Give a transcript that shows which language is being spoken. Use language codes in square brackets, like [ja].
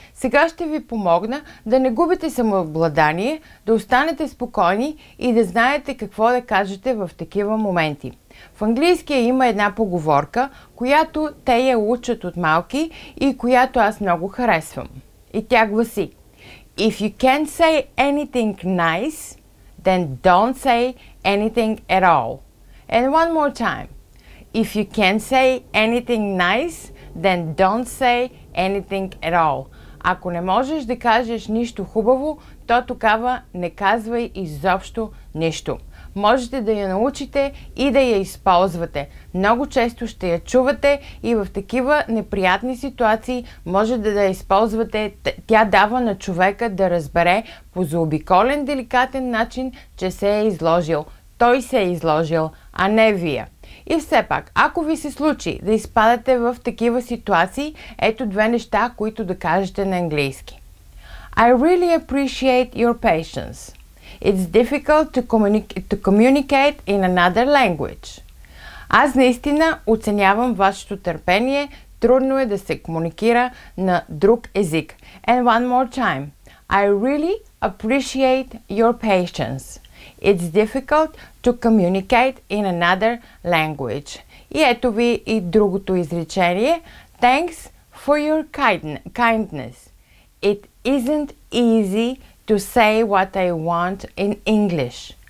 [bg] Сега ще ви помогна да не губите самообладание, да останете спокойни и да знаете какво да кажете в такива моменти. В английския има една поговорка, която те я учат от малки и която аз много харесвам. И тя гласи: [en] If you can't say anything nice, then don't say anything at all. And one more time. If you can't say anything nice, then don't say anything at all. [bg] Ако не можеш да кажеш нищо хубаво, то тогава не казвай изобщо нищо. Можете да я научите и да я използвате. Много често ще я чувате и в такива неприятни ситуации може да я използвате. Тя дава на човека да разбере по заобиколен деликатен начин, че се е изложил. Той се е изложил, а не вие. И все пак, ако ви се случи да изпадате в такива ситуации, ето две неща, които да кажете на английски. [en] I really appreciate your patience. It's difficult to communicate in another language. [bg] Аз наистина оценявам вашето търпение. Трудно е да се комуникира на друг език. [en] And one more time. I really appreciate your patience. It's difficult to communicate in another language. [bg] И ето ви и другото изречение. [en] Thanks for your kindness. It isn't easy to say what I want in English.